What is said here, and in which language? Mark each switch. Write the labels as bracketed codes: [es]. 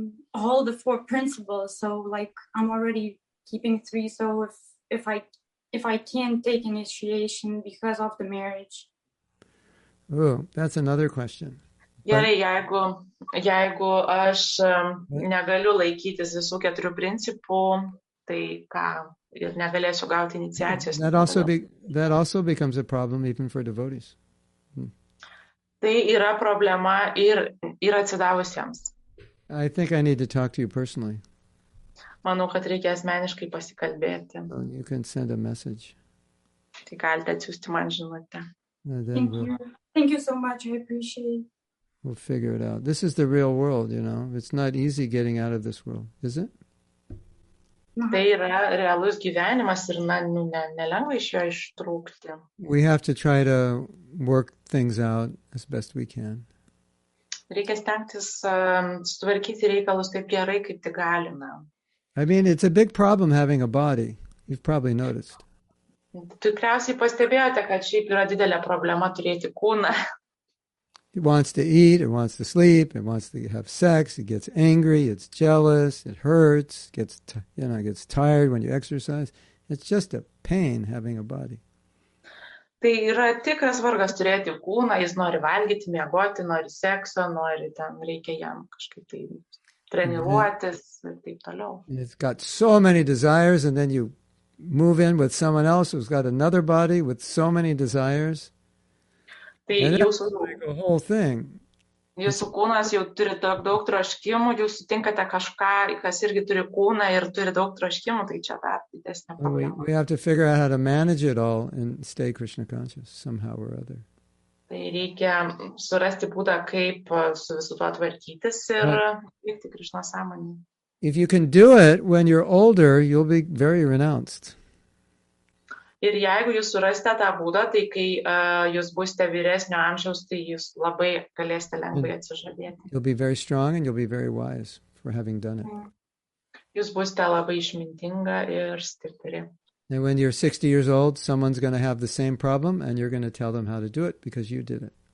[en] Hold the four principles, so like I'm already keeping three, so if I can't take initiation because of the marriage. Oh, that's another question. [lt] Gerai, jeigu aš negaliu laikytis visų keturių principų, tai ką, ir negalėsiu gauti iniciacijos. [en] That also becomes a problem even for devotees. [lt] Tai yra problema ir atsidavusiems. [en] I think I need to talk to you personally. [lt] Manau, kad reikia asmeniškai pasikalbėti. [en] Well, you can send a message. [lt] Tai galite atsiųsti man žinutę. [en] Thank you so much. I appreciate it. We'll figure it out. This is the real world, you know. It's not easy getting out of this world, is it? [lt] Tai yra realus gyvenimas ir nelengva iš jo ištrūkti. [en] We have to try to work things out as best we can. [lt] Reikia stengtis sutvarkyti reikalus taip gerai, kaip tik galime. [en] I mean, it's a big problem having a body. You've probably noticed. [lt] Tikriausiai pastebėjote, kad šiaip yra didelė problema turėti kūną. [en] It wants to eat, it wants to sleep, it wants to have sex, it gets angry, it's jealous, it hurts, gets tired when you exercise. It's just a pain having a body. [lt] Tai yra tikras vargas turėti kūną, jis nori valgyti, miegoti, nori sekso, nori ten, reikia jam kažkaip tai treniruotis ir taip toliau. [en] It's got so many desires and then you move in with someone else who's got another body with so many desires. [lt] Tai [en] and [lt] jūsų, [en] like whole thing. [lt] Jūsų kūnas jau turi daug troškimų, jūs sutinkate kažką, kas irgi turi kūną ir turi daug troškimų, tai čia dar didesnė problema. [en] We have to figure out how to manage it all and stay Krishna conscious somehow or other. [lt] Tai reikia surasti būdą, kaip su visu to tvarkytis ir likti Krishna sąmonį. [en] If you can do it when you're older, you'll be very renounced. [lt] Ir jeigu jūs surasite tą būdą, tai kai jūs būsite vyresnio amžiaus, tai jūs labai galėsite lengvai atsižadėti. [en] You'll be very strong and you'll be very wise for having done it. [lt] Jūs būsite labai išmintinga ir stipri. [en] And when you're 60 years old, someone's going to have the same problem and you're going to tell them how to do it because you did it.